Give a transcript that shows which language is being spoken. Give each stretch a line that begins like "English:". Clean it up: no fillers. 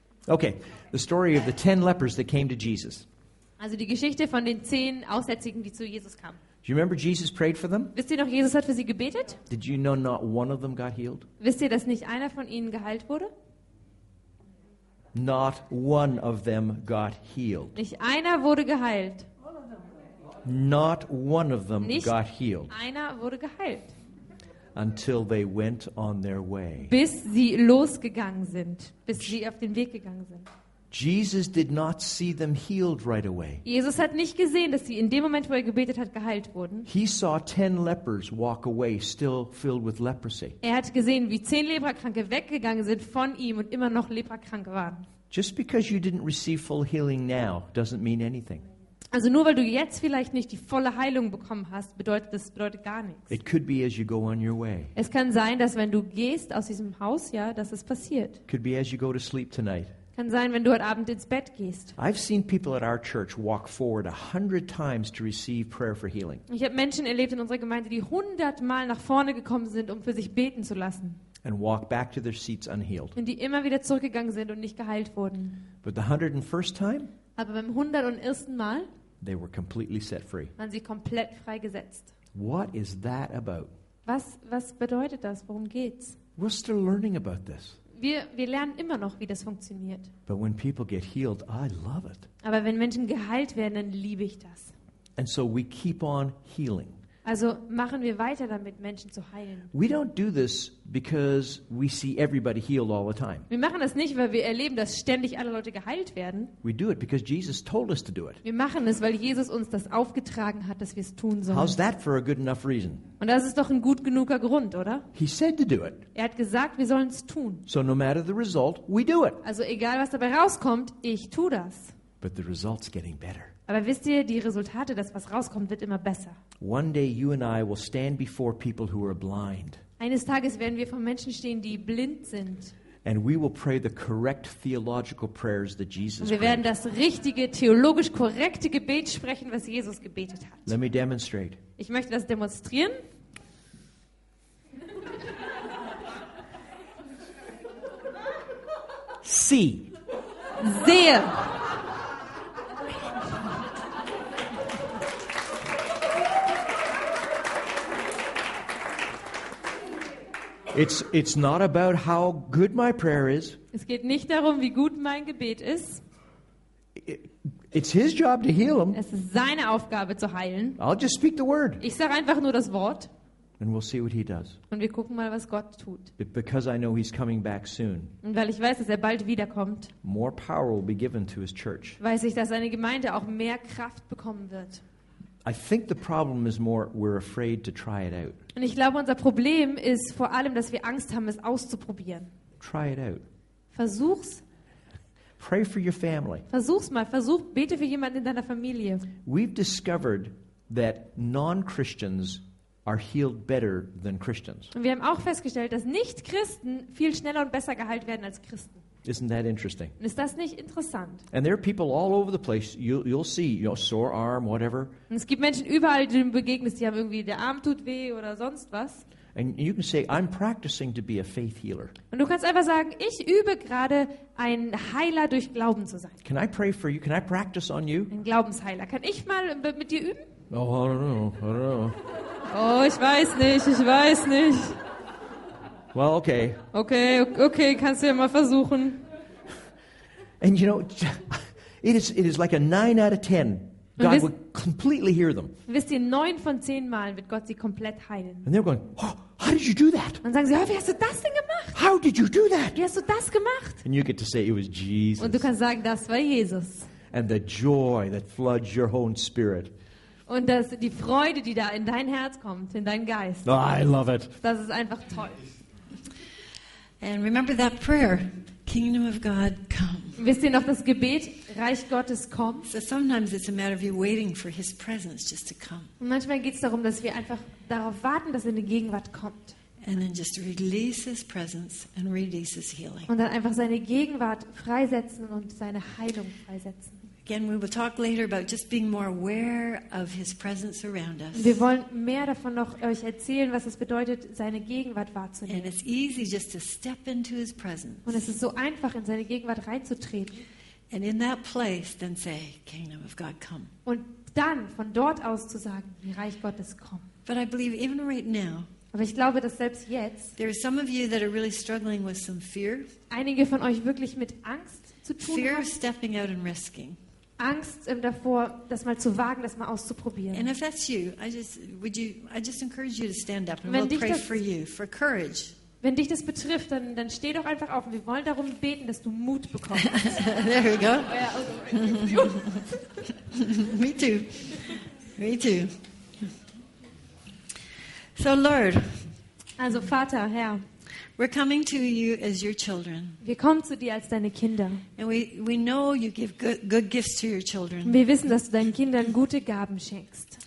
English: Okay, the story of the 10 lepers that came to Jesus.
German: Also die Geschichte von den 10 Aussätzigen, die zu Jesus kamen.
English: Do you remember Jesus prayed for them?
German: Wisst ihr noch, Jesus hat für sie gebetet?
English: Did you know not one of them got healed?
German: Wisst ihr, dass nicht einer von ihnen geheilt wurde?
English: Not one of them got healed.
German: Nicht einer wurde geheilt.
English: Not one of them got healed.
German: Nicht einer wurde geheilt.
English: Until they went on their way.
German: Bis sie losgegangen sind, bis sie auf den Weg gegangen sind.
English: Jesus did not see them healed right away.
German: Jesus hat nicht gesehen, dass sie in dem Moment, wo er gebetet hat, geheilt wurden.
English: He saw 10 lepers walk away, still filled with leprosy.
German: Er hat gesehen, wie 10 Leprakranke weggegangen sind von ihm und immer noch leprakrank waren.
English: Just because you didn't receive full healing now doesn't mean anything.
German: Also nur weil du jetzt vielleicht nicht die volle Heilung bekommen hast, bedeutet gar nichts.
English: It could be as you go on your way.
German: Es kann sein, dass wenn du gehst aus diesem Haus, ja, dass es passiert.
English: Could be as you go to sleep tonight.
German: Kann sein, wenn du heute Abend ins Bett gehst.
English: I've seen people at our church walk forward 100 times to receive prayer for healing.
German: Ich habe Menschen erlebt in unserer Gemeinde, die 100 Mal nach vorne gekommen sind, um für sich beten zu lassen.
English: And walk back to their seats unhealed.
German: Und die immer wieder zurückgegangen sind und nicht geheilt wurden.
English: But the 101st time?
German: Aber beim 101. Mal?
English: They were completely set free.
German: Waren sie komplett freigesetzt.
English: What is that about?
German: Was bedeutet das? Worum geht's?
English: We're still learning about this.
German: Wir lernen immer noch, wie das funktioniert.
English: But when people get healed, I love it.
German: Aber wenn Menschen geheilt werden, dann liebe ich das.
English: And so we keep on healing.
German: Also machen wir weiter damit, Menschen zu heilen.
English: We don't do this because we see everybody healed all the time.
German: Wir machen das nicht, weil wir erleben, dass ständig alle Leute geheilt werden.
English: We do it because Jesus told us to do it.
German: Wir machen es, weil Jesus uns das aufgetragen hat, dass wir es tun sollen.
English: How's that for a good enough reason?
German: Und das ist doch ein gut genuger Grund, oder?
English: He said to do it.
German: Er hat gesagt, wir sollen es tun.
English: So no matter the result, we do it.
German: Also egal, was dabei rauskommt, ich tue das.
English: But the result's getting better.
German: Aber wisst ihr, die Resultate, das was rauskommt, wird immer besser.
English: One day you and I will stand before people who are blind.
German: Eines Tages werden wir vor Menschen stehen, die blind sind.
English: And we will pray the correct theological prayers that Jesus prayed.
German: Wir werden das richtige theologisch korrekte Gebet sprechen, was Jesus gebetet hat.
English: Let me demonstrate.
German: Ich möchte das demonstrieren.
English: See.
German: Sehe.
English: It's not about how good my prayer is.
German: Es geht nicht darum, wie gut mein Gebet ist.
English: It's his job to heal him.
German: Es ist seine Aufgabe zu heilen.
English: I'll just speak the word.
German: Ich sage einfach nur das Wort.
English: And we'll see what he does.
German: Und wir gucken mal, was Gott tut.
English: Because I know he's coming back soon.
German: Und weil ich weiß, dass er bald wiederkommt.
English: More power will be given to his church.
German: Weiß ich, dass seine Gemeinde auch mehr Kraft bekommen wird.
English: I think the problem is more we're afraid to try it out.
German: Und ich glaube, unser Problem ist vor allem, dass wir Angst haben, es auszuprobieren.
English: Try it out.
German: Versuch's.
English: Pray for your family.
German: Versuch's mal. Versuch, bete für jemanden in deiner Familie.
English: We've discovered that non-Christians are healed better than Christians.
German: Und wir haben auch festgestellt, dass Nicht-Christen viel schneller und besser geheilt werden als Christen.
English: Isn't that interesting?
German: Ist das nicht interessant?
English: And there are people all over the place. You'll see, you know, sore arm, whatever.
German: Und es gibt Menschen überall, die du begegnest, die haben irgendwie, der Arm tut weh oder sonst was.
English: And you can say, I'm practicing to be a faith healer.
German: Und du kannst einfach sagen, ich übe gerade, ein Heiler durch Glauben zu sein.
English: Can I pray for you? Can I practice on you?
German: Ein Glaubensheiler. Kann ich mal mit dir üben?
English: Oh, I don't know. I don't know.
German: Oh, ich weiß nicht. Ich weiß nicht.
English: Well, okay.
German: Okay, okay, kannst du ja mal versuchen.
English: And you know, it is like a 9 out of 10. God would completely hear them.
German: Wisst ihr, 9 von 10 Malen wird Gott sie komplett heilen.
English: And they're going, oh, how did you do that?
German: Und sagen sie, oh, wie hast du das denn gemacht?
English: How did you do that?
German: Wie hast du das gemacht?
English: And you get to say it was Jesus.
German: Und du kannst sagen, das war Jesus.
English: And the joy that floods your own spirit.
German: Und das, die Freude, die da in dein Herz kommt, in deinen Geist.
English: Oh, I love it.
German: Das ist einfach toll.
English: And remember that prayer, Kingdom of God come.
German: Wisst ihr noch das Gebet, Reich Gottes kommt?
English: So sometimes it's a matter of you waiting for His presence just to come.
German: Und manchmal geht's darum, dass wir einfach darauf warten, dass seine Gegenwart kommt.
English: And then just release His presence and release His healing.
German: Und dann einfach seine Gegenwart freisetzen und seine Heilung freisetzen.
English: Again, we will talk later about just being more aware of His presence around us.
German: Wir wollen mehr davon noch euch erzählen, was es bedeutet, seine Gegenwart wahrzunehmen.
English: And it's easy just to step into His presence.
German: Und es ist so einfach, in seine Gegenwart reinzutreten.
English: And in that place, then say, Kingdom of God come.
German: Und dann von dort aus zu sagen, Reich Gottes komm.
English: But I believe even right now.
German: Aber ich glaube, dass selbst jetzt.
English: There are some of you that are really struggling with some fear.
German: Einige von euch wirklich mit Angst zu tun
English: fear
German: haben.
English: Fear of stepping out and risking.
German: Angst davor, das mal zu wagen, das mal auszuprobieren.
English: And if that's you, I just encourage you to stand up and we'll pray for you, for courage.
German: Wenn dich das betrifft, dann steh doch einfach auf und wir wollen darum beten, dass du Mut bekommst.
English: There we go. Me too. Me too. So Lord.
German: Also Vater, Herr.
English: We're coming to you as your children.
German: Wir kommen zu dir als deine Kinder.
English: And we know you give good gifts to your children.
German: Wir wissen, dass du deinen Kindern gute Gaben schenkst.